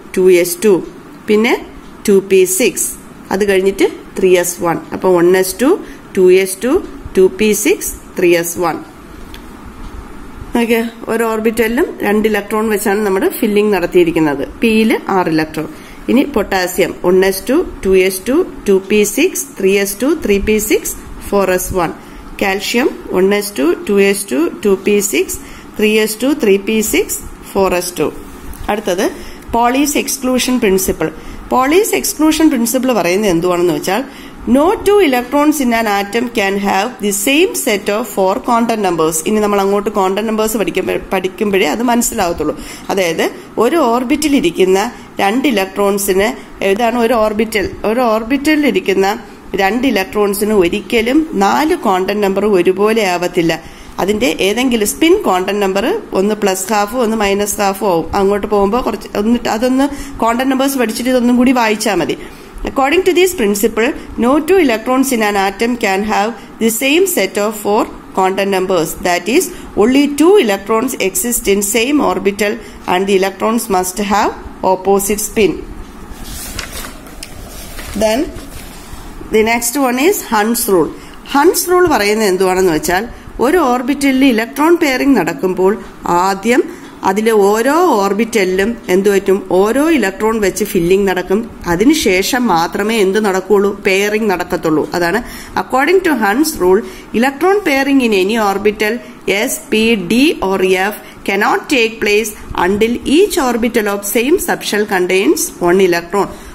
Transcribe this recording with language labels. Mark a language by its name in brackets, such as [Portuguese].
[Malayalam] 2s2, പിന്നെ 2p6, അത് കഴിഞ്ഞിട്ട് 3s1. അപ്പൊ 1s2, 2s2, 2p6, 3s1. ഒരു ഓർബിറ്റലിലും 2 ഇലക്ട്രോൺ വെച്ചാണ് നമ്മൾ ഫില്ലിംഗ് നടത്തിയിരിക്കുന്നത്. പിയിൽ 6 ഇലക്ട്രോൺ. ഇനി potassium 1s2, 2s2, 2p6, 3s2, 3p6, 4s1. Calcium 1s2, 2s2, 2p6, 3s2, 3p6, 4s2. അടുത്തത് Pauli's exclusion principle. Pauli's exclusion principle പറയുന്നത് എന്തുവാണെന്ന് വെച്ചാൽ, [English] no two electrons in an atom can have the same set of 4 quantum numbers. [Malayalam] ഇനി നമ്മൾ അങ്ങോട്ട് quantum numbers പഠിക്കുമ്പോഴേ അത് മനസ്സിലാവത്തുള്ളൂ. അതായത് ഒരു ഓർബിറ്റിൽ ഇരിക്കുന്ന 2 ഇലക്ട്രോൺസിന് ഏതാണ് ഒരു ഓർബിറ്റൽ? ഒരു ഓർബിറ്റലിൽ ഇരിക്കുന്ന 2 ഇലക്ട്രോൺസിന് ഒരിക്കലും 4 ക്വാണ്ടം നമ്പർ ഒരുപോലെ ആവത്തില്ല. അതിന്റെ ഏതെങ്കിലും spin quantum number 1 plus ഹാഫും 1 minus ഹാഫും ആവും. അങ്ങോട്ട് പോകുമ്പോൾ കുറച്ച് എന്നിട്ട് അതൊന്ന് ക്വാണ്ടം നമ്പേഴ്സ് പഠിച്ചിട്ട് ഇതൊന്നും കൂടി വായിച്ചാൽ മതി. [English] According to this principle, no two electrons in an atom can have the same set of 4 quantum numbers. That is, only two electrons exist in same orbital and the electrons must have opposite spin. Then, the next one is Hund's rule. [Malayalam] Hund's rule പറയുന്നത് എന്താണെന്ന് വെച്ചാൽ, ഒരു ഓർബിറ്റലിൽ electron pairing നടക്കുമ്പോൾ ആദ്യം അതിലെ ഓരോ ഓർബിറ്റലിലും എന്ത് പറ്റും? ഓരോ ഇലക്ട്രോൺ വെച്ച് ഫില്ലിംഗ് നടക്കും. അതിനുശേഷം മാത്രമേ എന്ത് നടക്കുള്ളൂ? പെയറിംഗ് നടക്കത്തുള്ളൂ. അതാണ് [English] According to Hund's rule, electron pairing in any orbital s, p, d or f cannot take place until each orbital of same subshell contains 1 electron.